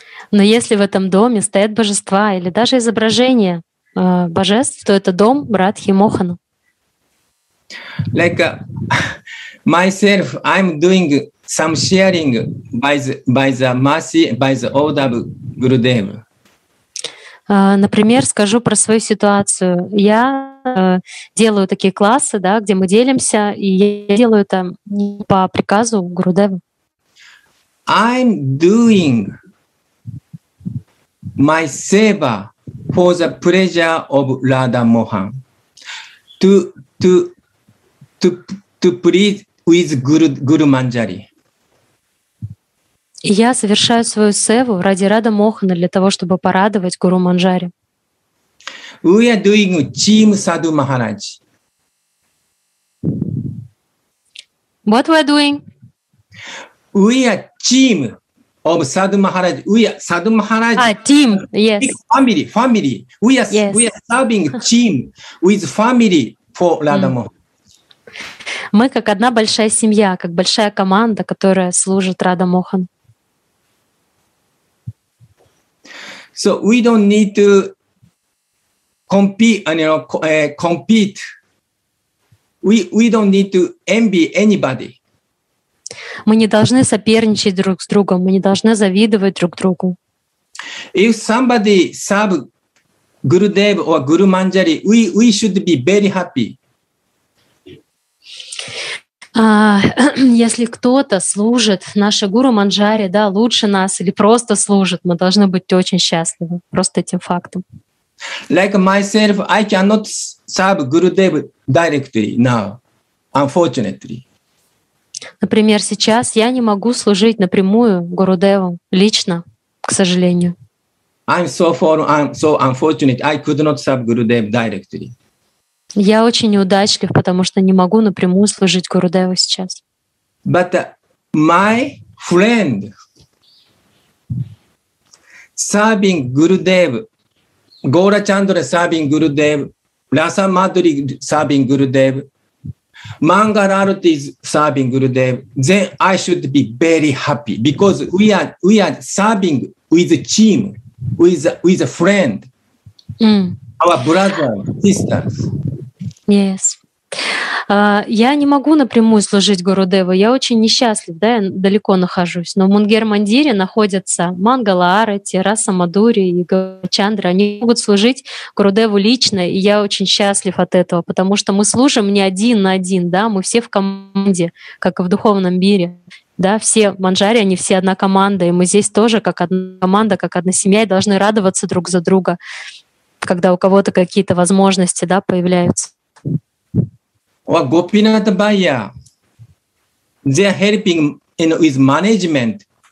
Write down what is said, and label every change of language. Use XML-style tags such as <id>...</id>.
<ru>Но если в этом доме стоят божества или даже изображение божеств, то это дом Радхи Мохана.</ru> <en>Like myself, I'm doing some sharing by the mercy, by the order of Gurudev.</en> <ru>Например, скажу про свою ситуацию. Я делаю такие классы, да, где мы делимся, и я делаю это по приказу Гурудева.</ru> <en>I'm doing my seva for the pleasure of Radha Mohan to please with Guru Manjari.</en> <ru>Я совершаю свою севу ради Радха Мохана, для того, чтобы порадовать Гуру Манджари.</ru> <en>We are doing Chim Sadhu Maharaj. What we're doing? We are team of Sadhu Maharaj. We are Sadhu Maharaj. Team. Yes. Family. Family. We are. Yes. We are serving team with family for Radha Mohan.</en> <ru>Мы как одна большая семья, как большая команда, которая служит Радха Мохан.</ru> <en>So we don't need to compete, you know, compete. We don't need to envy anybody.</en> <ru>Мы не должны соперничать друг с другом, мы не должны завидовать друг другу.</ru> <en>If somebody serve Gurudev or Guru Manjari, we should be very happy.</en> <ru>Если кто-то служит, наша гуру Манджари, да, лучше нас или просто служит, мы должны быть очень счастливы просто этим фактом.</ru> <en>Like myself, I cannot serve Gurudev directly now, unfortunately.</en> <ru>Например, сейчас я не могу служить напрямую Гурудеву лично, к сожалению.</ru> <en>I'm so unfortunate, I could not serve Gurudev directly.</en> <ru>Я очень неудачлив, потому что не могу напрямую служить Гурудеву сейчас.</ru> <en>But my friend serving Gurudev, Gora Chandra serving Gurudev, Rasa Madhuri serving Gurudev, Mangalarati serving Gurudev, then I should be very happy because we are serving with a team, with a friend, our brother, sisters. Yes.</en> <ru>Я не могу напрямую служить Гурудеву. Я очень несчастлив, да, я далеко нахожусь. Но в Мунгер-Мандире находятся Мангала-Арати, Раса-Мадури и Гачандра. Они могут служить Гурудеву лично, и я очень счастлив от этого, потому что мы служим не один на один, да, мы все в команде, как и в духовном мире. Да, все манджари, они все одна команда, и мы здесь тоже как одна команда, как одна семья, и должны радоваться друг за друга, когда у кого-то какие-то возможности, да, появляются.</ru> <en>Or Gopinath Bhaiya, they are helping, you know, with management.</en>